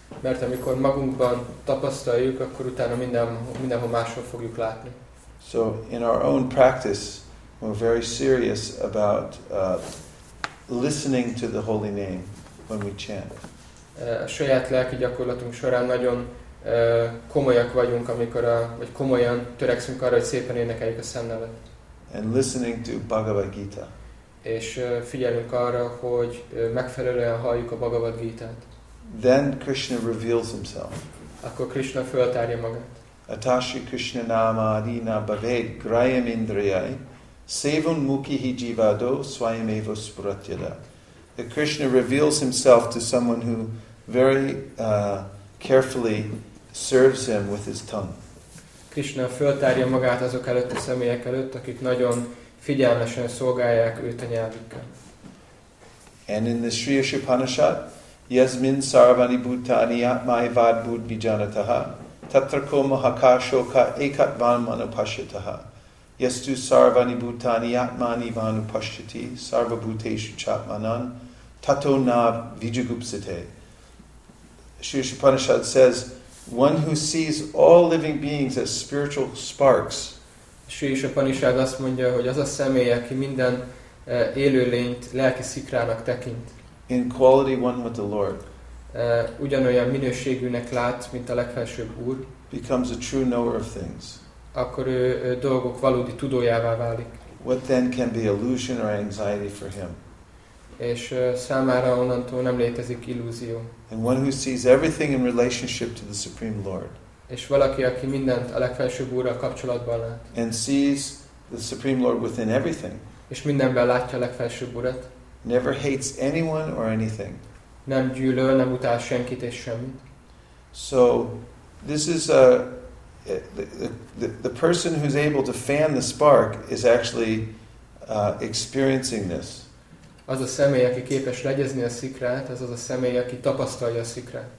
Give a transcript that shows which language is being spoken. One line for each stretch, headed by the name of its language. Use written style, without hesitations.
Hungarian: Mert amikor magunkban tapasztaljuk, akkor utána mindenhol máshol fogjuk látni.
English: So in our own practice, we're very serious about listening to the holy name when we chant.
Hungarian: A saját lelki gyakorlatunk során nagyon komolyak vagyunk, vagy komolyan törekszünk arra, hogy szépen énekeljük a Szentnevet.
English: And listening to Bhagavad Gita.
Hungarian: És figyelünk arra, hogy megfelelően halljuk a Bhagavad Gita-t.
English: Then Krishna reveals himself.
Hungarian: Akkor Krishna föltárja magát.
Sanskrit: Atashi Krishna nama adina bhaved grayam indriyai sevun mukihi jivado swayam eva spratyada.
English: That Krishna reveals himself to someone who very carefully serves him with his tongue.
Hungarian: Krishna föltárja magát azok előtt a személyek előtt, akik nagyon figyelmesen szolgálják őt a nyelvükkel.
English: And in the Sri Upanishad,
Sanskrit: yasmin sarvani bhutani atmai vad bud bijanataha tatrako mahakasho ka ekat van manupashitaha yastu sarvani bhutani atmani vanupashiti sarva bhuteshu chatmanan tato na vijugupsite.
English: Sri Upanishad says, one who sees all living beings as spiritual sparks.
Hungarian: Sri Upanishad azt mondja, hogy az a személy, aki minden élőlényt lelki szikrának tekint.
English: In quality one with the Lord.
Hungarian: Ugyanolyan minőségűnek lát, mint a legfelsőbb Úr.
English: Becomes a true knower of things.
Hungarian: Akkor ő dolgok valódi tudójává válik.
English: What then can be illusion or anxiety for him?
Hungarian: És számára onnantól nem létezik illúzió.
English: And one who sees everything in relationship to the Supreme Lord.
Hungarian: És valaki, aki mindent a legfelsőbb Úrral kapcsolatban lát.
English: And sees the Supreme Lord within everything.
Hungarian: És mindenben látja a legfelsőbb Urat.
English: Never hates anyone or anything.
Hungarian: Nem gyűlöl, nem utál senkit és semmit.
English: So this is the person who's able to fan the spark is actually experiencing this.
Hungarian: Az a személy, aki képes legyezni a szikrát, az az a személy, aki tapasztalja a szikrát.